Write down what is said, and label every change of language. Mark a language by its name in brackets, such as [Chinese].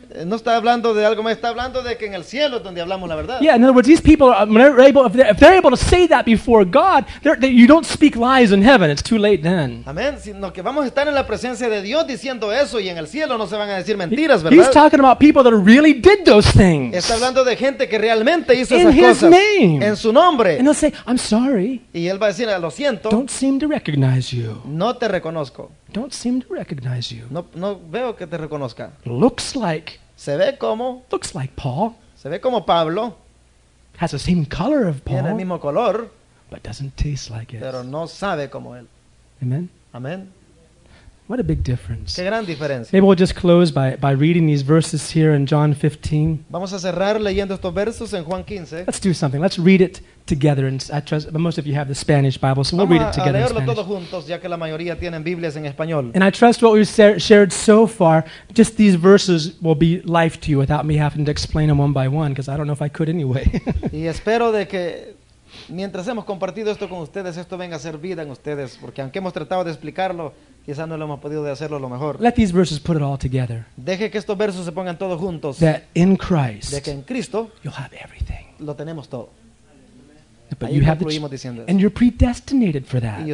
[Spanish] No está hablando de algo más, está hablando de que en el cielo es donde hablamos la verdad. [English] Yeah, in other words, these people are able, if they're able to say that before God, they, you don't speak lies in heaven. It's too late then. [Spanish] Amén. Sino que vamos a estar en la presencia de Dios diciendo eso y en el cielo no se van a decir mentiras, ¿verdad? [English] He's talking about people that really did those things. [Spanish] Está hablando de gente que realmente hizo [English] in [Spanish] esas [English] his [Spanish] cosas. [English] Name. [Spanish] En su nombre. [English] And he'll say, I'm sorry. [Spanish] Y él va a decir, lo siento. [English] Don't seem to recognize you. [Spanish] No te reconozco. [English] Don't seem to recognize you. [Spanish] No veo que te reconozca. [English] Looks like. [Spanish] Se ve como. [English] Looks like Paul. [Spanish] Se ve como Pablo. [English] Has the same color of Paul. [Spanish] Tiene el mismo color. [English] But doesn't taste like it. [Spanish] Pero no sabe como él. [English] Amen. [Spanish] Amen. [English] What a big difference. [Spanish] Qué gran diferencia. [English] Maybe we'll just close by reading these verses here in John 15. [Spanish] Vamos a cerrar leyendo estos versos en Juan 15. [English] Let's do something. Let's read it together. And I trust, but most of you have the Spanish Bible, so [Spanish] vamos [English] we'll read it together [Spanish] a leerlo [English] in Spanish. [Spanish] Todos juntos, ya que la mayoría tienen Biblias en español. [English] And I trust what we've shared so far, just these verses will be life to you without me having to explain them one by one, because I don't know if I could anyway. [Spanish] Y espero de que mientras hemos compartido esto con ustedes, esto venga a ser vida en ustedes, porque aunque hemos tratado de explicarlo, quizás no lo hemos podido hacerlo lo mejor. [English] Let these verses put it all together. [Spanish] Deje que estos versos se pongan todos juntos. [English] That in Christ, [Spanish] de que en Cristo, [English] you'll have everything. [Spanish] Lo tenemos todo. [English] But you have and you're predestinated for that.